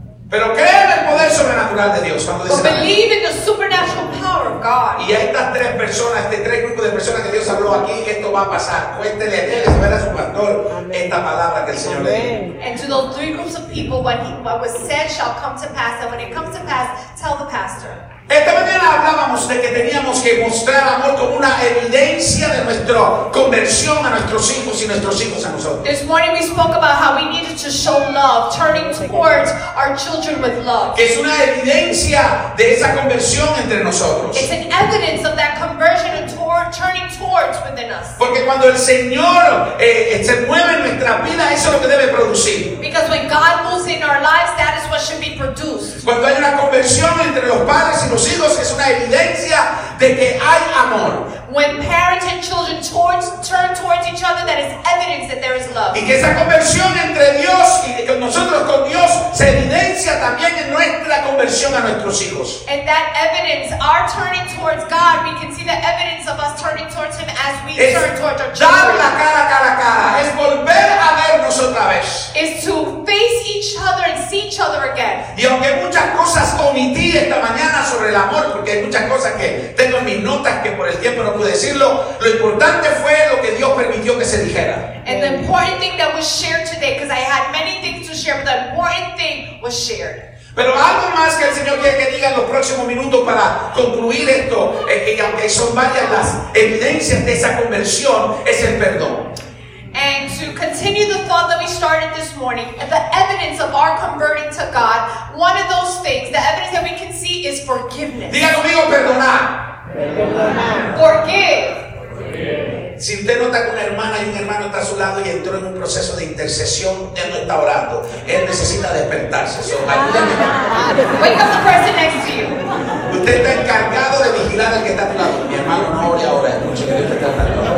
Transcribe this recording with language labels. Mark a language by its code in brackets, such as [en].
[es] Pero cree en el poder sobrenatural de Dios. Cuando dice [en] believe in the supernatural power of God. [es] Y a estas tres personas, este tres grupos de personas que Dios habló aquí, esto va a pasar. Cuéntele a él, a su pastor, esta palabra que el Señor le dio. [en] And to those three groups of people, what was said shall come to pass, and when it comes to pass, tell the pastor. [es] Esta mañana hablábamos de que teníamos que mostrar amor como una evidencia de nuestra conversión a nuestros hijos y nuestros hijos a nosotros. [en] This morning we spoke about how we needed to show love, turning towards our children with love. [es] Que es una evidencia de esa conversión entre nosotros. [en] It's an evidence of that conversion and turning towards within us. [es] Porque cuando el Señor se mueve en nuestra vida, eso es lo que debe producir. [en] Because when God moves in our lives, that is what should be produced. [es] Cuando hay una conversión entre los padres y los hijos, es una evidencia de que hay amor. [en] When parents and children turn towards each other, that is evidence that there is love. [es] Y que esa conversión entre Dios y que nosotros con Dios se evidencia también en nuestra conversión a nuestros hijos. [en] And that evidence, our turning towards God, we can see the evidence of us turning towards Him as we [es] es [en] turn towards our children. [es] Dar la cara, cara, cara. Es volver a vernos otra vez. [en] Is to face each other and see each other again. [es] Y aunque muchas cosas omití esta mañana sobre el amor, porque hay muchas cosas que tengo en mis notas que por el tiempo no pude decirlo, lo importante fue lo que Dios permitió que se dijera. [en] And the important thing that was shared today, because I had many things to share, but the important thing was shared. [es] Pero algo más que el Señor quiere que diga en los próximos minutos para concluir esto, que aunque son varias las evidencias de esa conversión, es el perdón. [en] And to continue the thought that we started this morning, the evidence of our converting to God, one of those things, the evidence that we can see is forgiveness. [es] Diga conmigo, perdonar. [en] Forgive. [es] Si usted nota que una hermana y un hermano está a su lado y entró en un proceso de intercesión, él no está orando. Él necesita despertarse. So, [en] ayúdeme. Wake up the person next to you. [es] Usted está encargado de vigilar al que está a tu lado. Mi hermano no ore ahora.